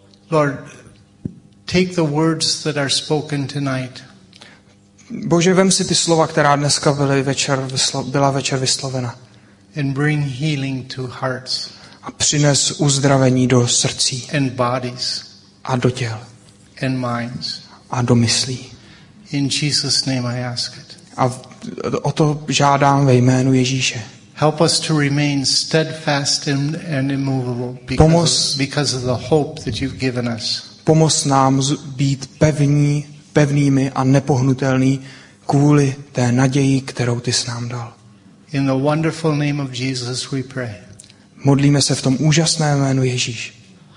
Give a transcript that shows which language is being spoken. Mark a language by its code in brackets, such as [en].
[en] Lord, take the words that are spoken tonight. [cs] Bože, vem si ty slova, která dneska byla večer vyslovena. [en] And bring healing to hearts. [cs] A přines uzdravení do srdcí. [en] And bodies. [cs] A do těl. [en] And minds. [cs] A do myslí. [en] In Jesus' name I ask it. [cs] A o to žádám ve jménu Ježíše. [en] Help us to remain steadfast and immovable because of the hope that you've given us. [cs] Pomoz nám být pevnými a nepohnutelný kvůli té naději, kterou ty jsi nám dal. [en] In the wonderful name of Jesus we pray. [cs] Modlíme se v tom úžasném jménu Ježíš.